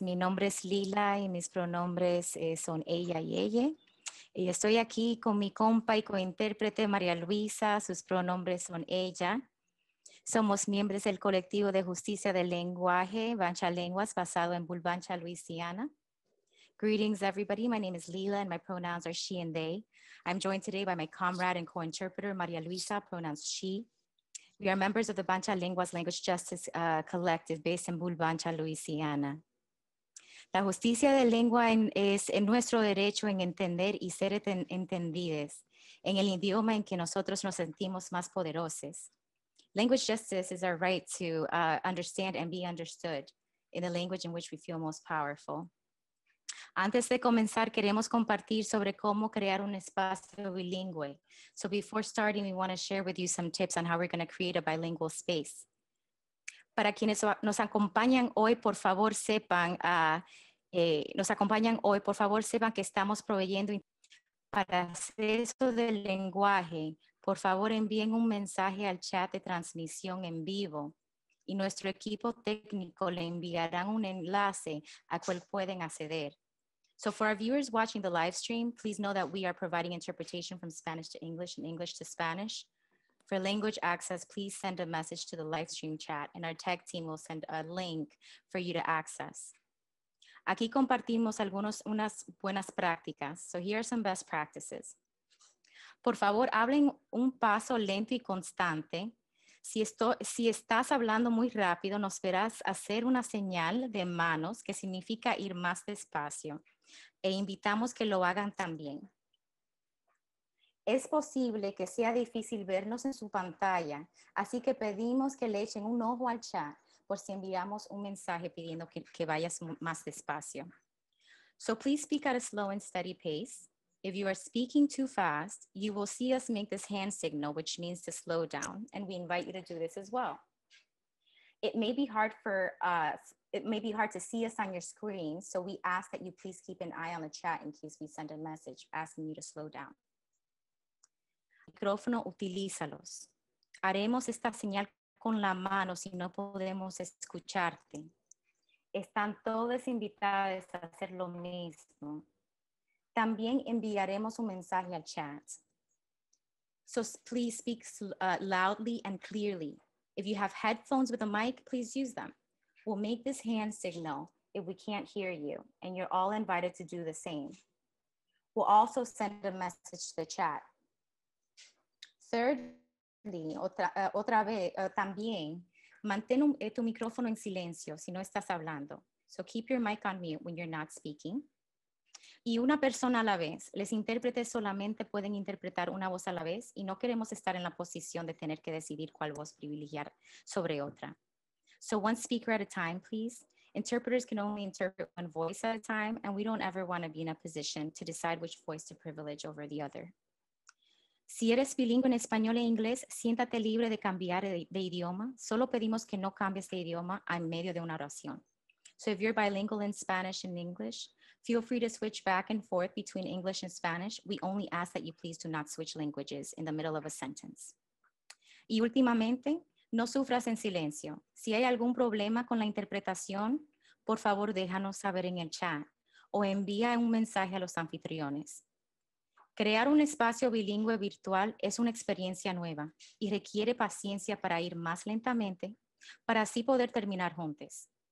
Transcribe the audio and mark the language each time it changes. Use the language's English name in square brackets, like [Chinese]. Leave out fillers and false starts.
[Spanish] Mi nombre es Lila y mis pronombres son ella y ella. Y estoy aquí con mi compa y cointérprete María Luisa. Sus pronombres son ella. Somos miembros del colectivo de justicia del lenguaje, Bancha Lenguas, basado en Bulbancha, Louisiana. [English] Greetings, everybody. My name is Lila, and my pronouns are she and they. I'm joined today by my comrade and cointerpreter, María Luisa, pronouns she. We are members of the Bancha Lenguas Language Justice Collective based in Bulbancha, Louisiana. [Spanish] La justicia de lengua es en nuestro derecho en entender y ser entendidos en el idioma en que nosotros nos sentimos más poderosos. [English] Language justice is our right to understand and be understood in the language in which we feel most powerful. [Spanish] Antes de comenzar, queremos compartir sobre cómo crear un espacio bilingüe. [English] So before starting, we want to share with you some tips on how we're going to create a bilingual space. [Spanish] Para quienes nos acompañan hoy, por favor, sepan, que estamos proveyendo para acceso del lenguaje. Por favor, envíen un mensaje al chat de transmisión en vivo. Y nuestro equipo técnico le enviarán un enlace a cual pueden acceder. [English] So for our viewers watching the live stream, please know that we are providing interpretation from Spanish to English and English to Spanish. For language access, please send a message to the live stream chat and our tech team will send a link for you to access. [Spanish] Aquí compartimos unas buenas prácticas. [English] So here are some best practices. [Spanish] Por favor, hablen un paso lento y constante. Si estás hablando muy rápido, nos verás hacer una señal de manos que significa ir más despacio. E invitamos que lo hagan también. Es posible que sea difícil vernos en su pantalla, así que pedimos que le echen un ojo al chat por si enviamos un mensaje pidiendo que vayas más despacio. [English] So please speak at a slow and steady pace. If you are speaking too fast, you will see us make this hand signal, which means to slow down, and we invite you to do this as well. It may be hard for us, it may be hard to see us on your screen, so we ask that you please keep an eye on the chat in case we send a message asking you to slow down. [Spanish] Micrófono, utilízalos. Haremos esta señal con la mano si no podemos escucharte. Están todos invitados a hacer lo mismo. También enviaremos un mensaje al chat. [English] So please speak loudly and clearly. If you have headphones with a mic, please use them. We'll make this hand signal if we can't hear you, and you're all invited to do the same. We'll also send a message to the chat. Thirdly, [Spanish] también, mantén tu micrófono en silencio si no estás hablando. [English] So keep your mic on mute when you're not speaking. [Spanish] Y una persona a la vez. Los intérpretes solamente pueden interpretar una voz a la vez y no queremos estar en la posición de tener que decidir cuál voz privilegiar sobre otra. [English] So one speaker at a time, please. Interpreters can only interpret one voice at a time and we don't ever want to be in a position to decide which voice to privilege over the other. [Spanish] Si eres bilingüe en español e inglés, siéntate libre de cambiar de idioma. Solo pedimos que no cambies de idioma en medio de una oración. [English] So if you're bilingual in Spanish and English, feel free to switch back and forth between English and Spanish. We only ask that you please do not switch languages in the middle of a sentence. [Spanish] Y últimamente, no sufras en silencio. Si hay algún problema con la interpretación, por favor déjanos saber en el chat o envía un mensaje a los anfitriones. Crear un espacio bilingüe virtual es una experiencia nueva y requiere paciencia para ir más lentamente para así poder terminar juntos.